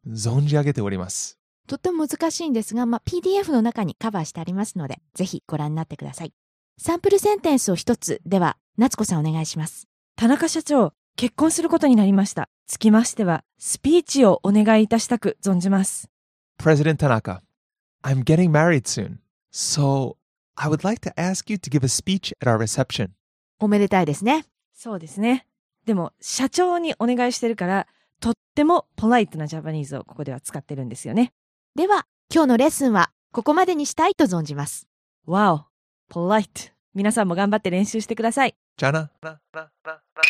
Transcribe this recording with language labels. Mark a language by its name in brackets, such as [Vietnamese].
[Japanese] 存じ上げております、とても難しいんですが、まあ、PDF の中にカバーしてありますのでぜひご覧になってください。サンプルセンテンスを一つ、では夏子さんお願いします。田中社長、結婚することになりました。つきましてはスピーチをお願いいたしたく存じます。 [English] President Tanaka, I'm getting married soon, so I would like to ask you to give a speech at our reception. [Japanese] おめでたいですね。そうですね。でも社長にお願いしてるからとってもポライトなジャパニーズをここでは使ってるんですよね。では今日のレッスンはここまでにしたいと存じます。わお、ポライト。皆さんも頑張って練習してください。じゃあな。